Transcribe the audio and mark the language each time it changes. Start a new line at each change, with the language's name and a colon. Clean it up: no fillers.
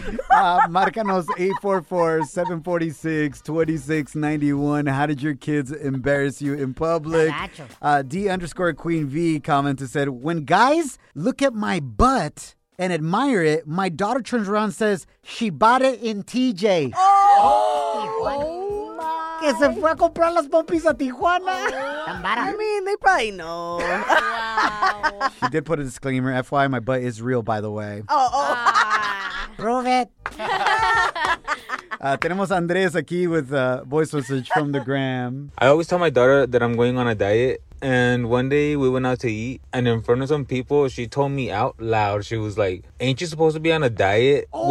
Spanish: Marcanos 844-746-2691.
English: How did your kids embarrass you in public? D_QueenV commented, said, when guys look at my butt and admire it, my daughter turns around and says, she bought it in TJ. Oh!
Spanish: Que se fue a comprar las pompis a Tijuana.
English: I mean, they probably know. Wow. She did put a disclaimer. FYI, my butt is real, by the way. Oh. Prove it.
Spanish: Tenemos a Andres aquí
English: with a voice message from the gram. I always tell my daughter that I'm going on a diet. And one day we went out to eat, and in front of some people, she told me out loud, she was like, ain't you supposed to be on a diet? Oh.